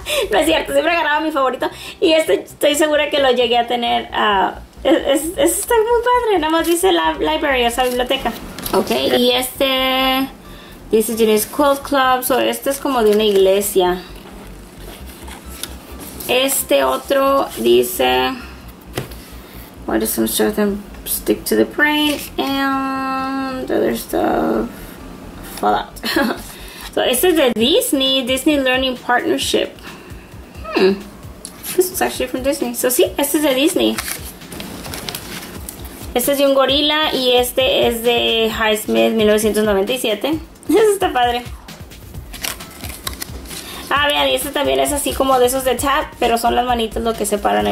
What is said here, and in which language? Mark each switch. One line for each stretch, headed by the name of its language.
Spanish: No es cierto, siempre agarraba mi favorito. Y este estoy segura que lo llegué a tener. Está muy padre. Nada más dice la library, o sea, biblioteca. Ok, y este dice Jenny's Quilt Club. So, este es como de una iglesia. Este otro dice
English: Why does some stuff then stick to the print? And other stuff fall out. So it says that Disney Learning Partnership. This is actually from Disney.
Spanish: So sí, este es de Disney. Este es de un gorila y este es de Highsmith 1997. Eso está padre. Ah, vean, y este también es así como de esos de tap, pero son las manitas lo que separan ahí.